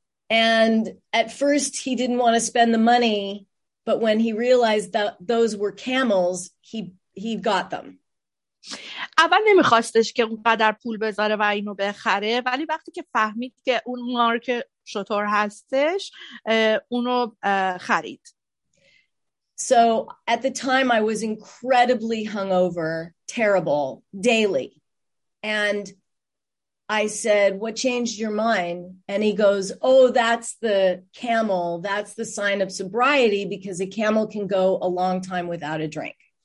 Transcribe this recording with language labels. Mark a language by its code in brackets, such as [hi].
[en] And at first he didn't want to spend the money, but when he realized that those were camels, he got them. [fa] اول نمیخواستش که اونقدر پول بذاره و اینو بخره، ولی وقتی که فهمید که اون مارک شطور هستش اونو خرید. [en] So at the time I was incredibly hungover, terrible, daily. And I said, what changed your mind? And he goes, oh, that's the camel. That's the sign of sobriety because a camel can go a long time without a drink.